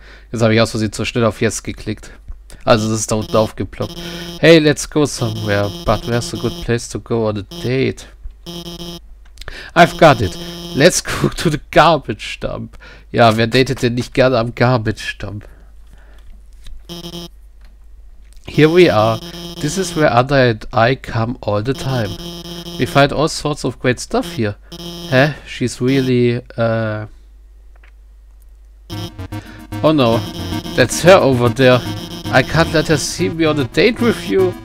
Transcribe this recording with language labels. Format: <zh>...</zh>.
<de>Jetzt habe ich aus Versehen zu schnell auf Yes geklickt. Also es ist da unten aufgeploppt.</de> <en>Hey, let's go somewhere. But where's a good place to go on a date? I've got it. Let's go to the garbage dump.</en> <de>Ja, wer datet denn nicht gerne am garbage dump?</de> <en>Here we are. This is where Andre and I come all the time. We find all sorts of great stuff here. Huh? She's really, Oh no. That's her over there. I can't let her see me on a date with you.</en>